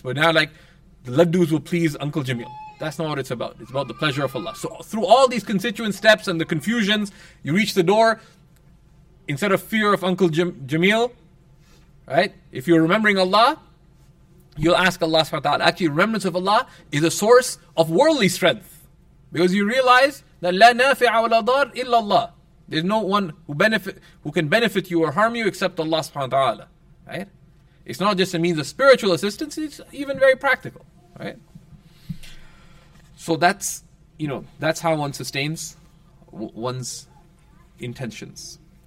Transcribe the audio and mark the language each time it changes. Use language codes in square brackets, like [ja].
[en] But now, like, the laddus will please Uncle Jamil. That's not what it's about. It's about the pleasure of Allah. So through all these constituent steps and the confusions, you reach the door. Instead of fear of Uncle Jamil, right? If you're remembering Allah, you'll ask Allah subhanahu wa ta'ala. Actually, remembrance of Allah is a source of worldly strength. Because you realize that [ar] لَا نَافِعَ وَلَا ضَارَ إِلَّا اللَّهِ. [en] There's no one who can benefit you or harm you except Allah subhanahu wa ta'ala. Right? It's not just a means of spiritual assistance, it's even very practical. Right? So that's, you know, that's how one sustains one's intentions.